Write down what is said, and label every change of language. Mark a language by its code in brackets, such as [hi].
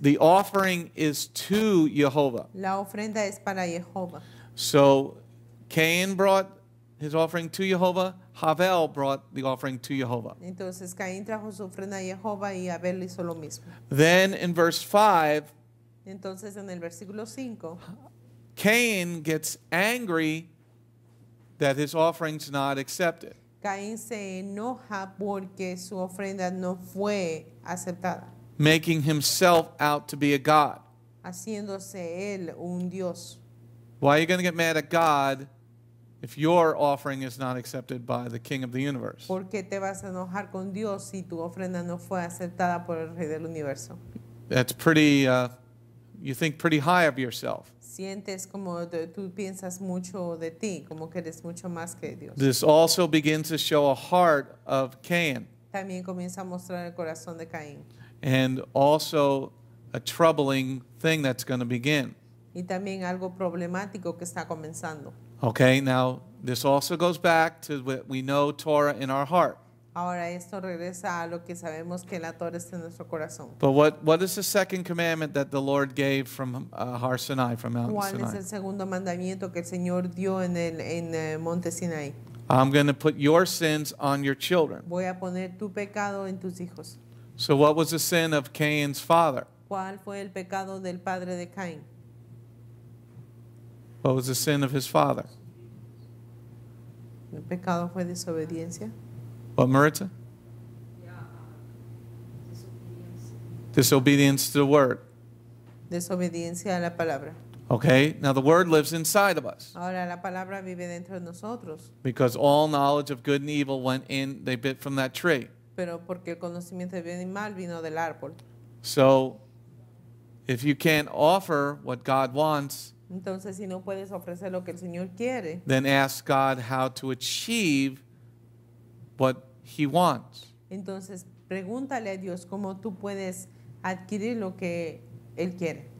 [en] The offering is to Yehovah. [es] La ofrenda es para Yehovah. [en] So Cain brought his offering to Yehovah. Havel brought the offering to Yehovah. [es] Entonces Cain trajo su ofrenda a Yehovah y Abel hizo lo mismo. [en] Then in verse 5, [es] entonces en el versículo 5, [en] Cain gets angry that his offering's not accepted. [es] Cain se enoja porque su ofrenda no fue aceptada. [en] Making himself out to be a god. [es] Haciéndose él un dios. [en] Why are you going to get mad at God if your offering is not accepted by the King of the Universe? [es] ¿Por qué te vas a enojar con Dios si tu ofrenda no fue aceptada por el Rey del Universo? [en] That's pretty, you think pretty high of yourself. [es] Sientes como tú piensas mucho de ti, como que eres mucho más que Dios. [en] This also begins to show a heart of Cain. [es] También comienza a mostrar el corazón de Cain. [en] And also a troubling thing that's going to begin. [es] Y también algo problemático que está comenzando. [en] Okay, now this also goes back to what we know Torah in our heart. [es] Ahora esto regresa a lo que sabemos que la Torah está en nuestro corazón. [en] But what is the second commandment that the Lord gave from Har Sinai, from Mount [es] ¿Cuál [en] Sinai? [es] ¿Cuál es el segundo mandamiento que el Señor dio en Monte Sinai? [en] I'm going to put your sins on your children. [es] Voy a poner tu pecado en tus hijos. [en] So what was the sin of Cain's father? [es] ¿Cuál fue el pecado del padre de Cain? [en] What was the sin of his father? [es] El pecado fue desobediencia. [en] What, Maritza? Yeah, disobedience. Disobedience to the word. [es] Desobediencia a la palabra. [en] Okay, now the word lives inside of us. [es] Ahora la palabra vive dentro de nosotros. [en] Because all knowledge of good and evil went in, they bit from that tree. [es] Pero porque el conocimiento de bien y mal vino del árbol. [en] So, if you can't offer what God wants, [es] entonces, si no puedes ofrecer lo que el Señor quiere, [en] then ask God how to achieve what He wants. [es] Entonces, pregúntale a Dios cómo tú puedes adquirir lo que Él quiere.